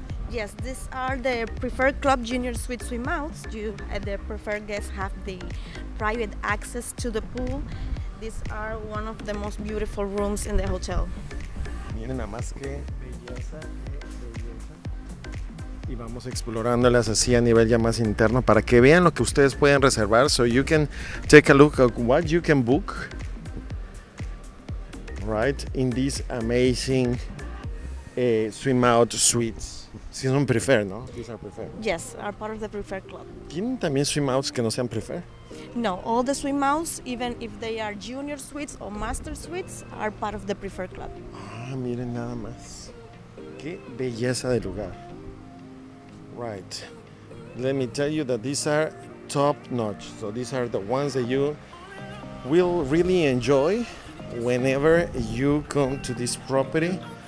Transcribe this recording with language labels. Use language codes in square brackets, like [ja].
[en] Yes, these are the preferred club junior suite swimouts. The preferred guests have the private access to the pool. These are one of the most beautiful rooms in the hotel. [es] Miren nada más qué belleza. Y vamos explorándolas así a nivel ya más interno para que vean lo que ustedes pueden reservar. [en] So you can take a look at what you can book. Right, in these amazing swim out suites. [es] Si son preferred, no? [en] These are preferred. Yes, are part of the preferred club. [es] ¿Tienen también swim outs que no sean preferred? [en] No, all the swim outs, even if they are junior suites or master suites, are part of the preferred club. [es] Ah, miren nada más. Qué belleza de lugar. Right. [en] Let me tell you that these are top notch. So these are the ones that you will really enjoy whenever you come to this property.